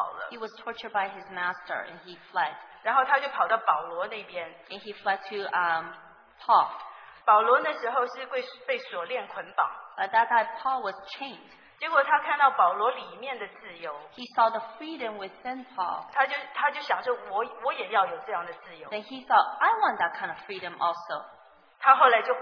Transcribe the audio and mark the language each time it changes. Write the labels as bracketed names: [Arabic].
[English] He was tortured by his master and he fled. And he fled to Paul. [Chinese] 保罗那时候是被锁链捆绑。 [English] But that time Paul was chained. [Chinese] 结果他看到保罗里面的自由, [English] he saw the freedom within Paul. [Chinese] 他就想说我也要有这样的自由。 [English] Then he thought, I want that kind of freedom also.